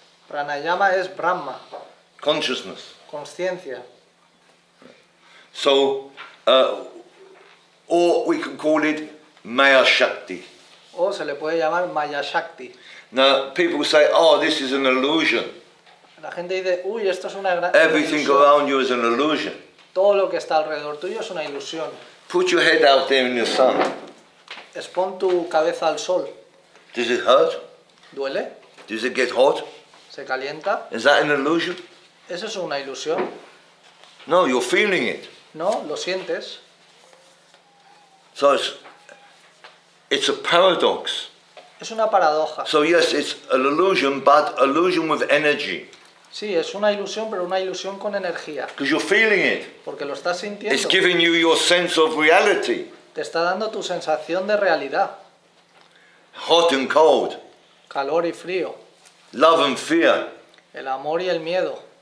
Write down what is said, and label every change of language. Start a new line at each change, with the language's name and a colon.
Spanish: Pranayama es Brahma.
English: consciousness.
Spanish: Consciencia.
English: So, or we can call it Maya Shakti.
Spanish: O se le puede llamar Maya Shakti.
English: Now, people say, oh, this is an illusion.
Spanish: La gente dice, uy, esto es una gran
English: ilusión. Everything around you is an illusion.
Spanish: Todo lo que está alrededor tuyo es una ilusión.
English: Put your head out there in the sun.
Spanish: Expon tu cabeza al sol.
English: Does it hurt?
Spanish: ¿Duele?
English: Does it get hot?
Spanish: ¿Se calienta?
English: Is that an illusion?
Spanish: ¿Eso es una ilusión?
English: No, you're feeling it.
Spanish: No, lo sientes.
English: So it's a paradox.
Spanish: Es una paradoja.
English: So yes, it's an illusion, but illusion with energy.
Spanish: Sí, es una ilusión, pero una ilusión con energía.
English: Because you're feeling it.
Spanish: Porque lo estás sintiendo.
English: It's giving you your sense of reality.
Spanish: Te está dando tu sensación de realidad.
English: Hot and cold.
Spanish: Calor y frío.
English: Love and fear.
Spanish: El amor y el miedo.